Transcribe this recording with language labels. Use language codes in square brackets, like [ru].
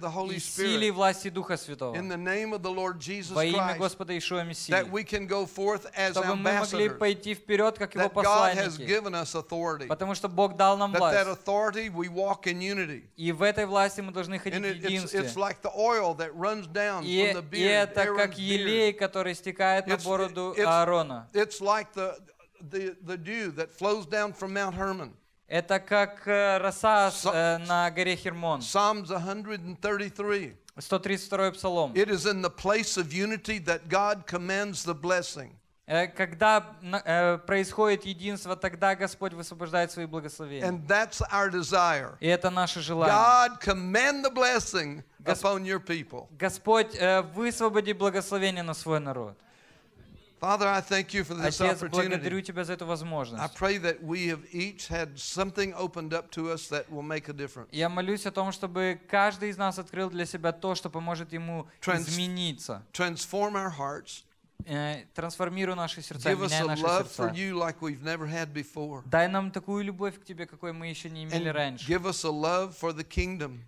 [ru] И силе и власти Духа Святого. Во имя Господа Иешуа Мессии. [en] Can go forth as ambassadors. That God has given us authority. [ru] Потому что Бог дал нам власть. [en] That authority we walk in unity. [ru] И в этой власти мы должны ходить в единстве. [en] And it's like the oil that runs down from the beard. [ru] И это как елей, который стекает на бороду Аарона. [en] It's like the dew that flows down from Mount Hermon. [ru] Это как роса на горе Хермон. [en] Psalms 133. [ru] 132-й псалом. [en] It is in the place of unity that God commands the blessing. [ru] Когда происходит единство, тогда Господь высвобождает свои благословения. [en] And that's our desire. [ru] И это наше желание. [en] God command the blessing upon your people. [ru] Господь, высвободи благословение на свой народ. [en] Father, I thank you for this [ru] Отец, [en] opportunity. [ru] Благодарю тебя за эту возможность. [en] I pray that we have each had something opened up to us that will make a difference. [ru] Я молюсь о том, чтобы каждый из нас открыл для себя то, что поможет ему измениться. [en] Transform our hearts. [ru] Трансформируй наши сердца, меняй наши сердца. [en] Give us a love for you like we've never had before. [ru] Дай нам такую любовь к тебе, какой мы еще не имели раньше. [en] Give us a love for the kingdom.